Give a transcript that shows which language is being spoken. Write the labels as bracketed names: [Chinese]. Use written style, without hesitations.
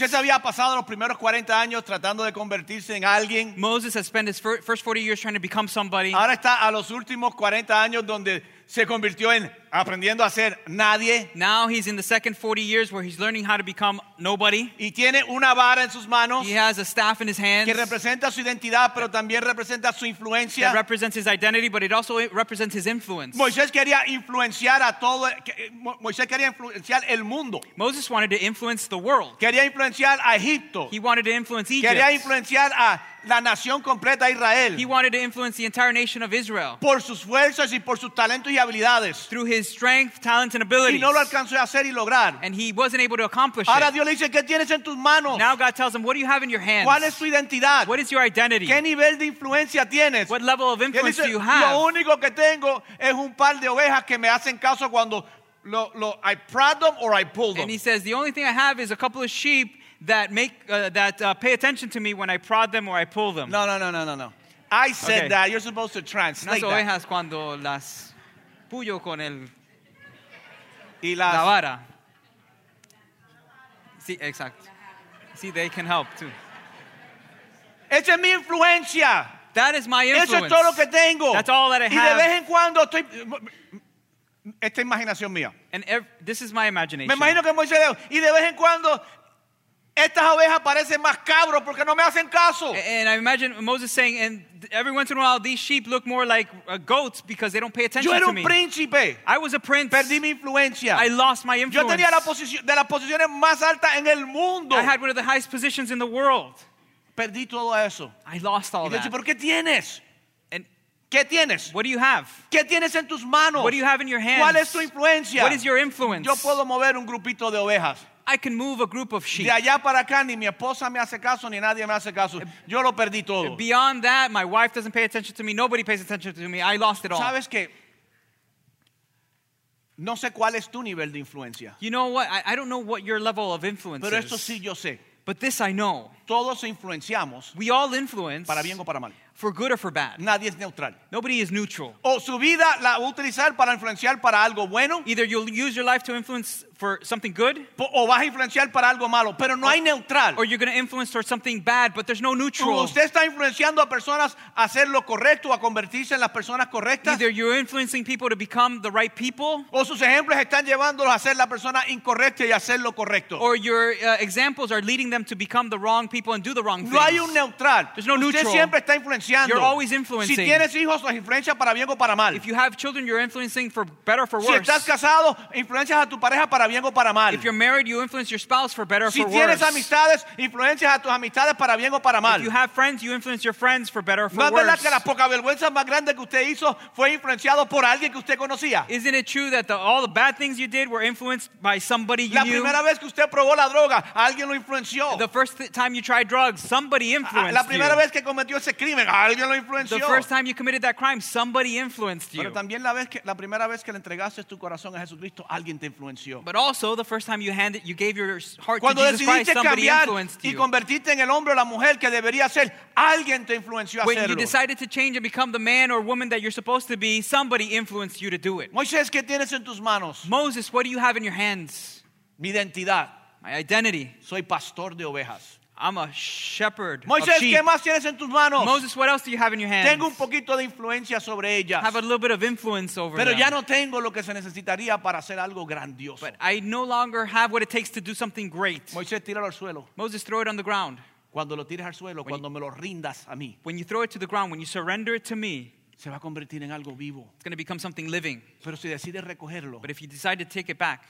[Spanish] Moisés había pasado los primeros 40 años tratando de convertirse en alguien. [English] Moses has spent his first 40 years trying to become somebody. [Spanish] Ahora está a los últimos 40 años donde se convirtió en aprendiendo a ser nadie. [English] Now he's in the second 40 years where he's learning how to become nobody. [Spanish] Y tiene una vara en sus manos. [English] He has a staff in his hands. [Spanish] Que representa su identidad, pero también representa su influencia. [English] That represents his identity, but it also represents his influence. [Spanish] Moisés quería influenciar a todo. Moisés quería influenciar el mundo. [English] Moses wanted to influence the world. [Spanish] Quería influenciar a Egipto. [English] He wanted to influence Egypt. [Spanish] Quería influenciar a la nación completa de Israel. [English] He wanted to influence the entire nation of Israel. [Spanish] Por sus fuerzas y por sus talentos y habilidades. [English] Through his strength, talents, and abilities. [Spanish] Y no lo alcanzó a hacer y lograr. [English] And he wasn't able to accomplish [Spanish] ahora [English] it. [Spanish] Dios le dice, ¿qué tienes en tus manos? [English] Now God tells him, what do you have in your hands? [Spanish] ¿Cuál es tu identidad? [English] What is your identity? [Spanish] ¿Qué nivel de influencia tienes? [English] What level of influence [Spanish] dice, [English] do you have? [Spanish] Lo único que tengo es un par de ovejas que me hacen caso cuando [English] I prod them or I pull them. And he says, the only thing I have is a couple of sheep that pay attention to me when I prod them or I pull them. No. I said okay. That. You're supposed to translate that. [Spanish] Las ovejas cuando las puyo con el y las la vara. Sí, exacto. Sí, [English] they can help too. [Spanish] Esa es mi influencia. [English] That is my influence. [Spanish] Eso es todo lo que tengo. [English] That's all that I [Spanish] y [English] have. [Spanish] Y de vez en cuando estoy. Esta imaginación mía. [English] And this is my imagination. [Spanish] Me imagino que Moisés dijo, y de vez en cuando estas ovejas parecen más cabros porque no me hacen caso. [English] And I imagine Moses saying, and every once in a while these sheep look more like goats because they don't pay attention to me. [Spanish] Yo era un príncipe. [English] I was a prince. [Spanish] Perdí mi influencia. [English] I lost my influence. [Spanish] Yo tenía de las posiciones más altas en el mundo. [English] I had one of the highest positions in the world. [Spanish] Perdí todo eso. [English] I lost all [Spanish] y [English] that. [Spanish] Y dice, ¿por qué tienes? ¿Qué tienes? [English] What do you have? [Spanish] ¿Qué tienes en tus manos? [English] What do you have in your hands? [Spanish] ¿Cuál es tu influencia? [English] What is your influence? [Spanish] Yo puedo mover un grupito de ovejas. [English] I can move a group of sheep. [Spanish] De allá para acá ni mi esposa me hace caso ni nadie me hace caso. Yo lo perdí todo. [English] Beyond that, my wife doesn't pay attention to me. Nobody pays attention to me. I lost it all. [Spanish] ¿Sabes qué? No sé cuál es tu nivel de influencia. [English] You know what? I don't know what your level of influence is. [Spanish] Pero esto sí yo sé. [English] But this I know. [Spanish] Todos influenciamos. [English] We all influence. [Spanish] Para bien o para mal. [English] For good or for bad. [Spanish] Nadie es neutral. [English] Nobody is neutral. [Spanish] O su vida la va a utilizar para influenciar para algo bueno. [English] Either you'll use your life to influence for something good. [Spanish] O vas a influenciar para algo malo, pero no hay neutral. [English] Or you're going to influence towards something bad, but there's no neutral. [Spanish] O usted está influenciando a personas a hacer lo correcto, a convertirse en las personas correctas. [English] Either you're influencing people to become the right people. [Spanish] O sus ejemplos están llevándolos a ser la persona incorrecta y a hacer lo correcto. [English] Or your examples are leading them to become the wrong people and do the wrong things. [Spanish] No hay un neutral. [English] There's no [Spanish] usted Usted siempre está influenciando. [English] You're always influencing. [Spanish] Si tienes hijos, los influencia para bien o para mal. [English] If you have children, you're influencing for better or for worse. [Spanish] Si estás casado, influencias a tu pareja para bien o para mal. [English] If you're married, you influence your spouse for better or [Spanish] si [English] for [Spanish] tienes [English] worse. [Spanish] Amistades, influencias a tus amistades para bien o para mal. [English] If you have friends, you influence your friends for better or for [Spanish] ¿no ¿No es verdad que la poca vergüenza más grande que usted hizo fue influenciado por alguien que usted conocía? [English] Isn't it true that all the bad things you did were influenced by somebody you [Spanish] la [English] knew? [Spanish] La primera vez que usted probó la droga, alguien lo influenció. [English] The first time you tried drugs, somebody influenced [Spanish] la primera [English] you. [Spanish] Vez que cometió ese crimen, alguien lo influenció. [English] The first time you committed that crime, somebody influenced you. [Spanish] Pero también la primera vez que le entregaste tu corazón a Jesucristo, alguien te influenció. [English] But also, the first time you gave your heart [Spanish] cuando [English] to Jesus Christ, somebody influenced you. [Spanish] Y convertiste en el hombre o la mujer que debería ser, alguien te influenció a [English] when [Spanish] hacerlo. [English] You decided to change and become the man or woman that you're supposed to be, somebody influenced you to do it. [Spanish] Moisés, ¿qué tienes en tus manos? [English] Moses, what do you have in your hands? [Spanish] Mi identidad. [English] My identity. [Spanish] Soy pastor de ovejas. [English] I'm a shepherd [Spanish] Moisés, [English] of sheep. [Spanish] ¿Qué más tienes en tus manos? [English] Moses, what else do you have in your hands? [Spanish] Tengo un poquito de influencia sobre ellas. [English] I have a little bit of influence over [Spanish] pero [English] them. [Spanish] Ya no tengo lo que se necesitaría para hacer algo grandioso. [English] But I no longer have what it takes to do something great. [Spanish] Moisés, tíralo al suelo. [English] Moses, throw it on the ground. [Spanish] Cuando lo tires al suelo, cuando me lo rindas a mí. [English] When you throw it to the ground, when you surrender it to me, [Spanish] Se va a convertir en algo vivo. [English] It's going to become something living. [Spanish] Pero si decide recogerlo, [English] but if you decide to take it back,